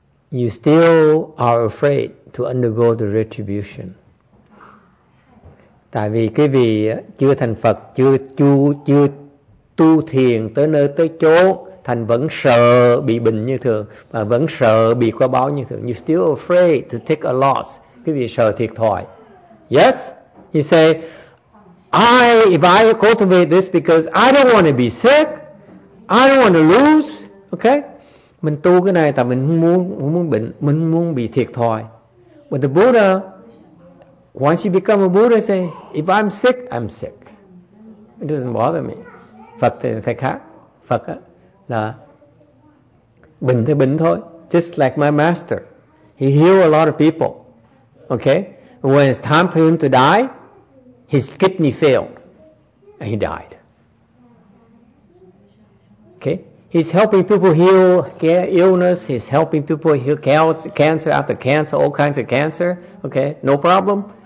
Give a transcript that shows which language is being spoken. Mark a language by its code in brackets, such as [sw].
[en] You still are afraid to undergo the retribution. [vi] Tại vì cái vị chưa thành Phật, chưa tu thiền tới nơi tới chỗ, thành vẫn sợ bị bệnh như thường và vẫn sợ bị quả báo như thường. [en] You still afraid to take a loss. [vi] Cái vị sợ thiệt thòi. [en] Yes, he say, if I cultivate this because I don't want to be sick, I don't want to lose. [vi] Okay, mình tu cái này tại mình không muốn bệnh, mình không muốn bị thiệt thòi. [en] But the Buddha, once you become a Buddha, say, if I'm sick, I'm sick. It doesn't bother me. [vi] Phật thì khác. Phật là bệnh thì bệnh thôi. [en] Just like my master, he healed a lot of people. Okay. When it's time for him to die, his kidney failed, and he died. Okay? He's helping people heal illness. He's helping people heal cancer after cancer, all kinds of cancer. Okay? No problem.